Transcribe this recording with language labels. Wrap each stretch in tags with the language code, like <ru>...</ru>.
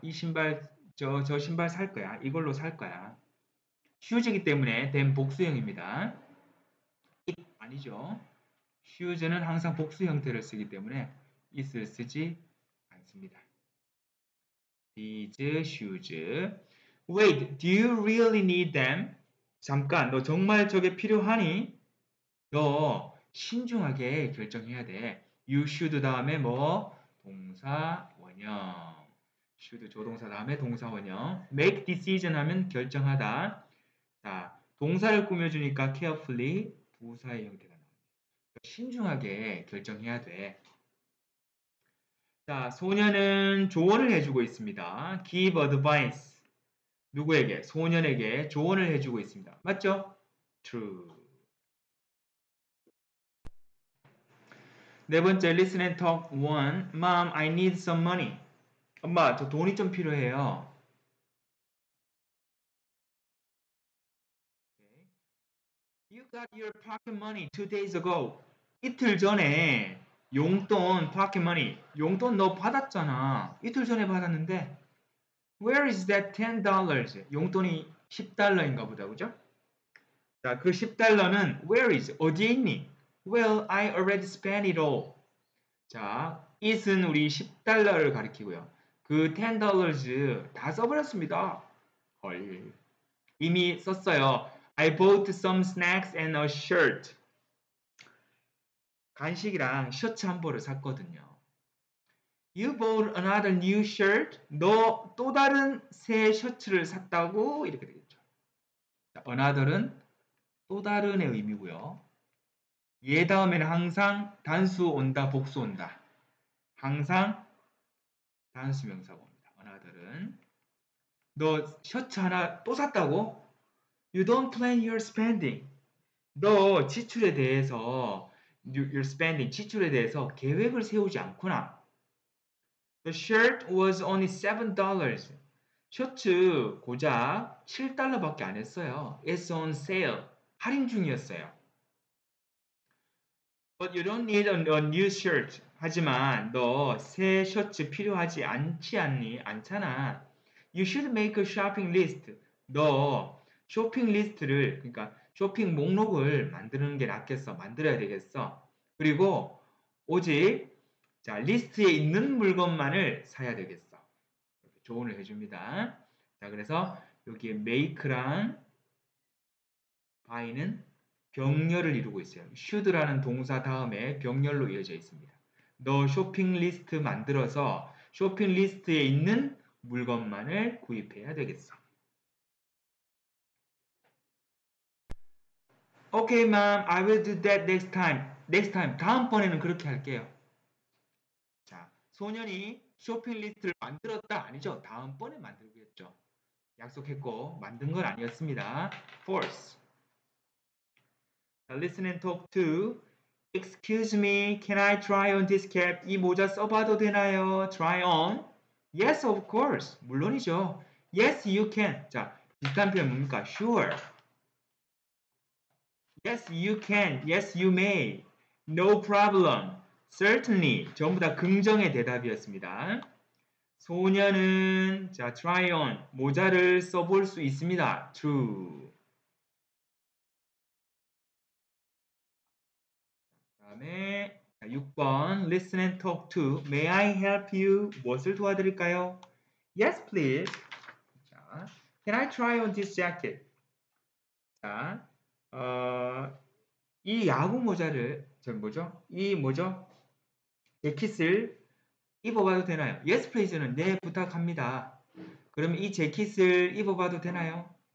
<ko>이 신발, 저 신발 살 거야. 이걸로 살 거야. Shoes이기 때문에 them 복수형입니다. 아니죠. Shoes는 항상 복수 형태를 쓰기 때문에 it을 쓰지 않습니다.</ko> <en>These shoes. Wait, do you really need them?</en> <ko>잠깐, 너 정말 저게 필요하니? 너 신중하게 결정해야 돼.</ko> <en>You should</en> <ko>다음에 뭐? 동사 원형. Should 조동사 다음에 동사 원형. Make decision 하면 결정하다. 자, 동사를 꾸며주니까 carefully 부사의 형태가 나옵니다. 신중하게 결정해야 돼. 자, 소녀는 조언을 해주고 있습니다.</ko> <en>Give advice.</en> <ko>누구에게? 소년에게 조언을 해주고 있습니다. 맞죠?</ko> <en>True.</en> <ko>네 번째,</ko> <en>listen and talk 1. Mom, I need some money.</en> <ko>엄마, 저 돈이 좀 필요해요.</ko> <en>You got your pocket money 2 days ago.</en> <ko>이틀 전에 용돈, pocket money. 용돈 너 받았잖아. 이틀 전에 받았는데.</ko> <en>Where is that $10?</en> <ko>용돈이 $10인가 보다, 그죠? 자, 그 $10는</ko> <en>where is?</en> <ko>어디에 있니?</ko> <en>Well, I already spent it all.</en> <ko>자, it은 우리 $10를 가리키고요. 그 $10 다 써버렸습니다. 헐. 이미 썼어요.</ko> <en>I bought some snacks and a shirt.</en> <ko>간식이랑 셔츠 한 벌을 샀거든요.</ko> <en>You bought another new shirt.</en> <ko>너 또 다른 새 셔츠를 샀다고 이렇게 되겠죠. Another은 또 다른의 의미고요. 얘 다음에는 항상 단수 온다, 복수 온다. 항상 단수 명사가 옵니다. Another은 너 셔츠 하나 또 샀다고?</ko> <en>You don't plan your spending.</en> <ko>너 지출에 대해서</ko> <en>your spending</en> <ko>지출에 대해서 계획을 세우지 않구나.</ko> <en>The shirt was only $7.</en> <ko>셔츠 고작 $7밖에 안 했어요.</ko> <en>It's on sale.</en> <ko>할인 중이었어요.</ko> <en>But you don't need a new shirt.</en> <ko>하지만 너 새 셔츠 필요하지 않지 않니? 않잖아.</ko> <en>You should make a shopping list.</en> <ko>너 쇼핑 리스트를, 그러니까 쇼핑 목록을 만드는 게 낫겠어. 만들어야 되겠어. 그리고 오직 자, 리스트에 있는 물건만을 사야 되겠어. 조언을 해줍니다. 자, 그래서 여기에 make랑 by는 병렬을 이루고 있어요. should라는 동사 다음에 병렬로 이어져 있습니다. 너 쇼핑 리스트 만들어서 쇼핑 리스트에 있는 물건만을 구입해야 되겠어.</ko> <en>Okay, ma'am. I will do that next time. Next time.</en> <ko>다음번에는 그렇게 할게요. 소년이 쇼핑 리스트를 만들었다 아니죠? 다음번에 만들겠죠. 약속했고 만든 건 아니었습니다.</ko> <en>False. Listen and talk to. Excuse me, can I try on this cap?</en> <ko>이 모자 써봐도 되나요?</ko> <en>Try on. Yes, of course.</en> <ko>물론이죠.</ko> <en>Yes, you can.</en> <ko>자, 비슷한 표현 뭡니까?</ko> <en>Sure. Yes, you can. Yes, you may. No problem. Certainly.</en> <ko>전부 다 긍정의 대답이었습니다. 소녀는, 자, try on. 모자를 써볼 수 있습니다.</ko> <en>True.</en> <ko>다음에, 자, 6번.</ko> <en>Listen and talk to. May I help you?</en> <ko>무엇을 도와드릴까요?</ko> <en>Yes, please. 자, can I try on this jacket?</en> <ko>자, 이 야구 모자를, 저 뭐죠? 이 뭐죠? 재킷을 입어봐도 되나요?</ko> <en>Yes, please</en> <ko>는 네, 부탁합니다. 그러면 이 재킷을 입어봐도 되나요?</ko>